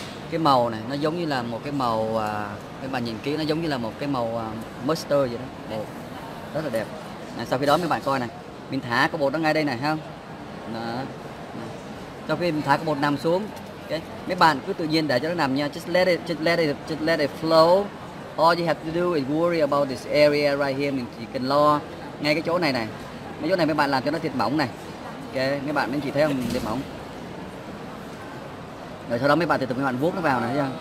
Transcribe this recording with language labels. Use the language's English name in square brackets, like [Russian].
[Vietnamese] Cái màu này nó giống như là một cái màu, các bạn nhìn kỹ, nó giống như là một cái màu mustard vậy đó. Bột. Rất là đẹp. Này, sau khi đó các bạn coi nè. Mình thả cái bột nó ngay đây này ha. Đó. Sau khi mình thả cái bột nằm xuống. Okay. Mấy bạn cứ tự nhiên để cho nó nằm nha. [English] Just let it flow. All you have to do is worry about this area right here. [Vietnamese] Mình chỉ cần lo ngay cái chỗ này này. Mấy chỗ này mấy bạn làm cho nó thiệt mỏng này. Okay. Mấy bạn mình chỉ thấy không, mình thiệt mỏng. Rồi sau đó mấy bạn từ mấy bạn vuốt nó vào này.